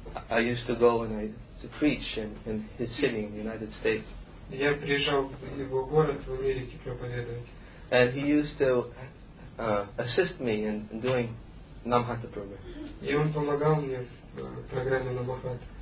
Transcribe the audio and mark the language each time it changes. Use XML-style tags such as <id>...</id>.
<en>I used to go and to preach in his city in the United States.</en> <ru>Я приезжал в его город в Америке проповедовать.</ru> <en>And he used to assist me in doing Namhata program.</en> <ru>И он помогал мне в программе Намахата.</ru>